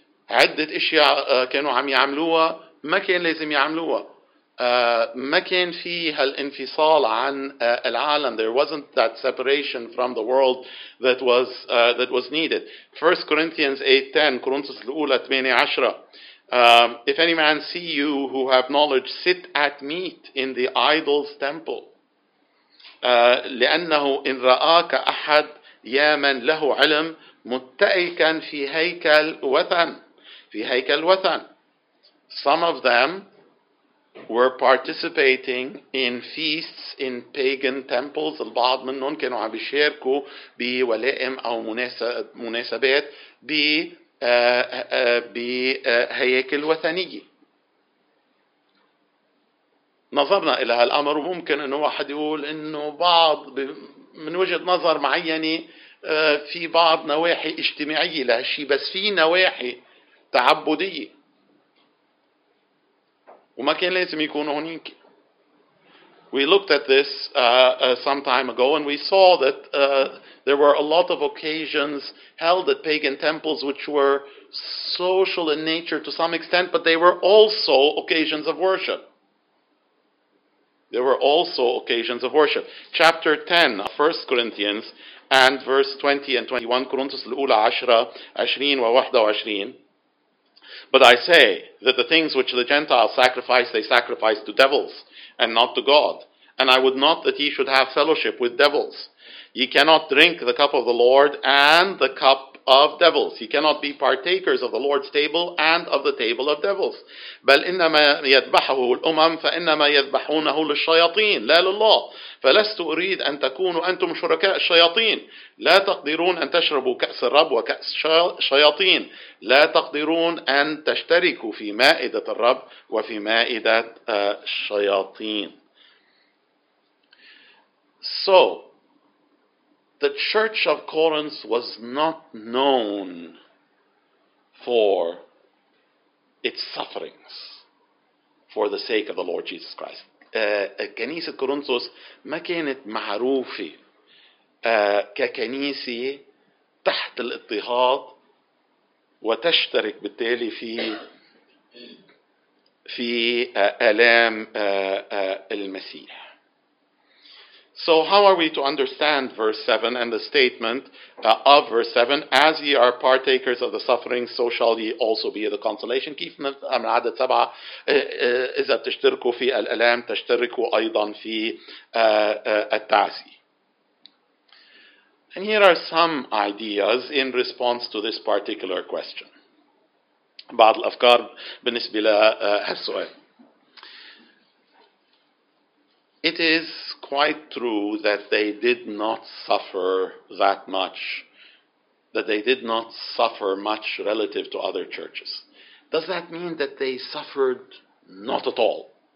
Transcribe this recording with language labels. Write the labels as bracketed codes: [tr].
[ar] عدة أشياء كانوا عم يعملوها ما كان لازم يعملوها. ما كان في هالانفصال عن العالم. [en] There wasn't that separation from the world that was needed. 1 Corinthians 8:10, [ar] كورنثوس الأولى 8:10. [en] If any man see you who have knowledge, sit at meat in the idol's temple. [ar] لأنه إن رآك أحد يا من له علم متأكا في هيكل وثن. في هيكل وثن. [en] Some of them were participating in feasts in pagan temples. [ar] البعض منهم كانوا عم بيشاركوا بولائم أو مناسبات بهياكل وثنية. نظرنا إلى هالأمر وممكن أنه واحد يقول أنه بعض من وجهة نظر معينة في بعض نواحي اجتماعية لهالشي، بس في نواحي تعبدية وما كان لازم يكون هناك. [en] We looked at this some time ago and we saw that there were a lot of occasions held at pagan temples which were social in nature to some extent, but they were also occasions of worship. There were also occasions of worship. Chapter 10 of 1 Corinthians and verse 20 and 21, Corinthians [ar] الأولى 10:20-21. [en] But I say that the things which the Gentiles sacrifice, they sacrifice to devils and not to God. And I would not that ye should have fellowship with devils. Ye cannot drink the cup of the Lord and the cup of devils. Ye cannot be partakers of the Lord's table and of the table of devils. [ar] بل إنما يذبحه الأمم فإنما يذبحونه للشياطين لا لله. فلست أريد أن تكونوا أنتم شركاء الشياطين. لا تقدرون أن تشربوا كأس الرب وكأس الشياطين. لا تقدرون أن تشتركوا في مائدة الرب وفي مائدة الشياطين. [en] So, the church of Corinth was not known for its sufferings for the sake of the Lord Jesus Christ. [ar] كنيسة كورنثوس ما كانت معروفة ككنيسة تحت الاضطهاد وتشترك بالتالي في آلام المسيح. [en] So how are we to understand verse 7 and the statement of verse 7, as ye are partakers of the suffering, so shall ye also be of the consolation. [ar] كيف من عدد 7 إذا تشتركوا في الألام تشتركوا أيضا في التعزي. [en] And here are some ideas in response to this particular question. [ar] بعض الأفكار بالنسبة لهالسؤال. [en] It is quite true that they did not suffer that much, that they did not suffer much relative to other churches. Does that mean that they suffered not at all?